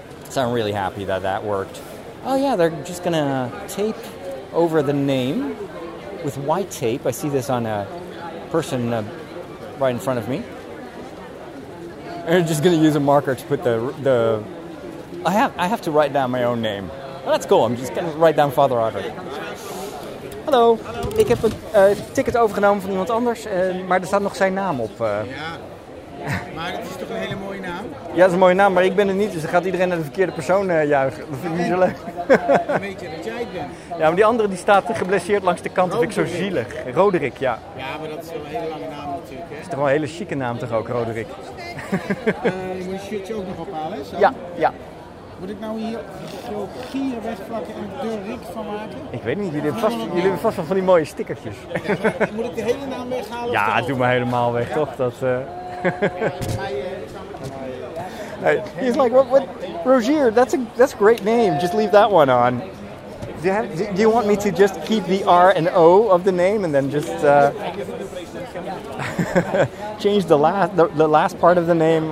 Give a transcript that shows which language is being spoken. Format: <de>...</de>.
<en>So I'm really happy that that worked. Oh yeah, they're just going to tape over the name with white tape. I see this on a person right in front of me. And I'm just going to use a marker to put the... I have to write down my own name. Well, that's cool. I'm just going to write down Father Arthur.</en> <nl>Hallo. Ik heb een ticket overgenomen van iemand anders, maar er staat nog zijn naam op. Ja, maar het is toch een hele mooie naam? Ja, het is een mooie naam, maar ik ben het niet, dus dan gaat iedereen naar de verkeerde persoon juichen. Dat vind ik niet zo leuk. Dan weet je dat jij het bent. Ja, maar die andere die staat geblesseerd langs de kant, Roderick. Dat vind ik zo zielig. Roderick, ja. Ja, maar dat is wel een hele lange naam natuurlijk, hè? Het is toch wel een hele chique naam toch ook, Roderick? Je moet je shirtje ook nog ophalen, hè? Ja, ja. Moet ik nou hier zo gier wegvlakken en de Rick van maken? Ik weet niet, jullie hebben vast wel van die mooie stickertjes. Ja, moet ik de hele naam weghalen? Ja, doe maar helemaal weg, ja. Toch?</nl> <en>Dat, Hey, he's like, what, Rogier, that's a great name. Just leave that one on. Do you want me to just keep the R and O of the name and then just change the last part of the name?</en>